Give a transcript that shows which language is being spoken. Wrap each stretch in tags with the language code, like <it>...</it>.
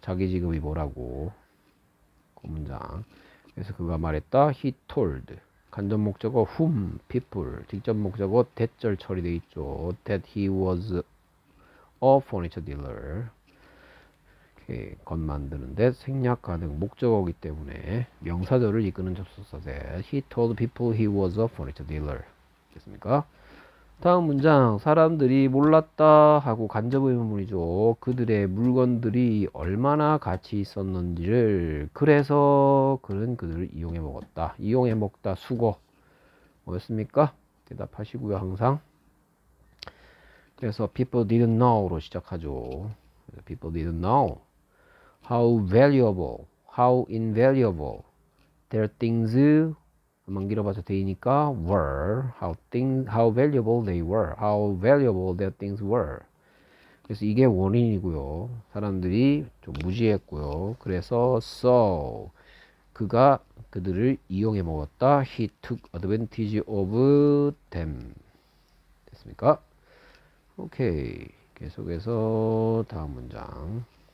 <ko>자기 직업이 뭐라고. 그 문장. 그래서 그가 말했다.</ko> <en>He told.</en> <ko>간접 목적어 whom, people. 직접 목적어 that절 처리돼 있죠.</ko> <en>That he was a furniture dealer.</en> <ko>이렇게 겉 만드는데 생략 가능. 목적어이기 때문에 명사절을 이끄는 접속사세.</ko> <en>He told people he was a furniture dealer.</en> <ko>됐습니까? 다음 문장. 사람들이 몰랐다 하고 간접 의문문이죠. 그들의 물건들이 얼마나 가치 있었는지를. 그래서 그는 그들을 이용해 먹었다. 이용해 먹다. 수거. 뭐였습니까? 대답하시고요, 항상. 그래서</ko> <en>people didn't know</en> <ko>로 시작하죠.</ko> <en>People didn't know how valuable, how invaluable their things</en> <ko>한번 길어봐서 되니까</ko> <en>were, how valuable they were, how valuable their things were.</en> <ko>그래서 이게 원인이고요. 사람들이 좀 무지했고요. 그래서 so 그가 그들을 이용해 먹었다.</ko> <en>He took advantage of them.</en> <ko>됐습니까?</ko> <en>오케이.</en> <ko>계속해서 다음 문장.</ko>